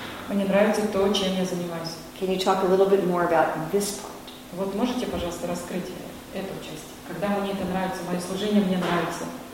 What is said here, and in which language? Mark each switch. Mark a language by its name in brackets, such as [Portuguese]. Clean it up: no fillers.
[Russian] Мне нравится то, чем я занимаюсь. [English] Can you talk a little bit more about this part? [Russian] Вот можете, пожалуйста, раскрыть эту часть. Когда мне это нравится, мое служение мне нравится.